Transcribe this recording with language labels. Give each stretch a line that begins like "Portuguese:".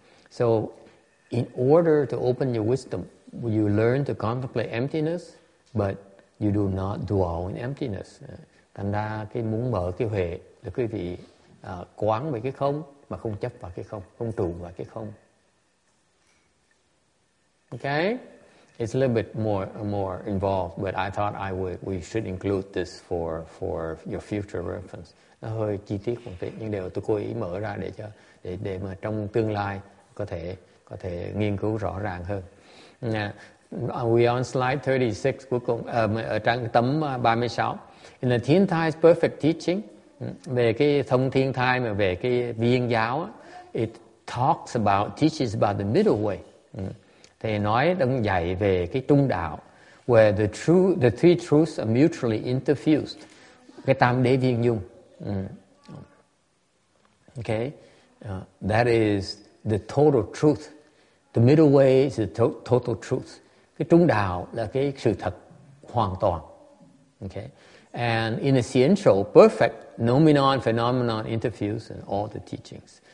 English: So in order to open your wisdom, you learn to contemplate emptiness, but you do not dwell in emptiness.
Vietnamese: Thành ra cái muốn mở cái huệ là quý vị quán về cái không mà không chấp vào cái không, không trụ vào cái không.
English: Okay, it's a little bit more involved, but I thought we should include this for your future reference.
Vietnamese: Nó hơi chi tiết một tí, nhưng đều tôi cố ý mở ra để mà trong tương lai có thể nghiên cứu rõ ràng hơn.
English: Now, we on slide 36
Vietnamese: cuối cùng ở trang tấm 36.
English: In the Tiantai's perfect teaching.
Vietnamese: Về cái thông thiên thai mà về cái viên giáo á,
English: it talks about, teaches about the middle way.
Vietnamese: Thì nói đang dạy về cái trung đạo,
English: where the three truths are mutually interfused.
Vietnamese: Cái tam đế viên dung.
English: Okay? That is the total truth. The middle way is the total truth.
Vietnamese: Cái trung đạo là cái sự thật hoàn toàn.
English: Okay? And in a essential, perfect noumenon phenomenon interferes in all the teachings.